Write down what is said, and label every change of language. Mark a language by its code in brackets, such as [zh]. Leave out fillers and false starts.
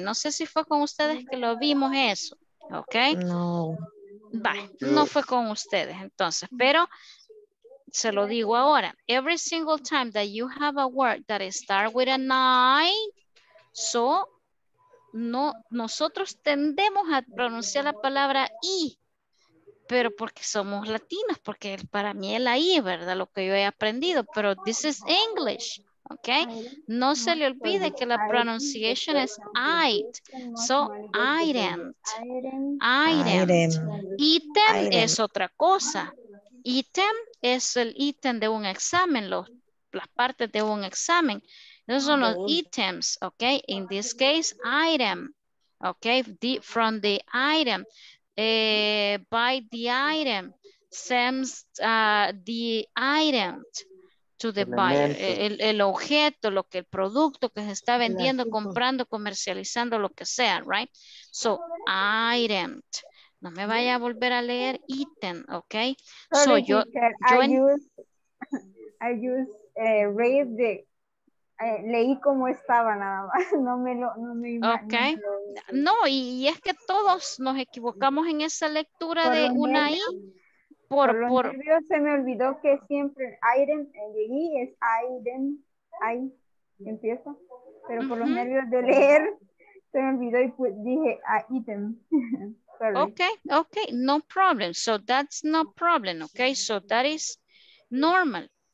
[es] No sé si fue con ustedes que lo vimos eso, ok. No. Va, no fue con ustedes, entonces, pero se lo digo ahora. [en] Every single time that you have a word that starts with an I, so... [es] No, nosotros tendemos a pronunciar la palabra I, pero porque somos latinos, porque para mí es la I, ¿verdad? Lo que yo he aprendido, pero [en] this is English, [es] ¿ok? No se le olvide que la pronunciation es I'd, so I'd, I'd. Item es otra cosa, item es el item de un examen, las partes de un examen. [en] Those are los items, okay? In this case, item, okay? From the item, buy the item, sends the item to the buyer. [es] El objeto, lo que el producto que se está vendiendo, comprando, comercializando, lo que sea, right? So, item. No me vaya a volver a leer item, okay? So, leí cómo estaba nada más, y es que todos nos equivocamos en esa lectura por de una I. Por nervios se me olvidó que siempre Iren, llegué, es Iren, ahí empiezo, pero por los nervios de leer se me olvidó y dije item. [en] ok, no problem, so that's no problem, ok, so that is normal.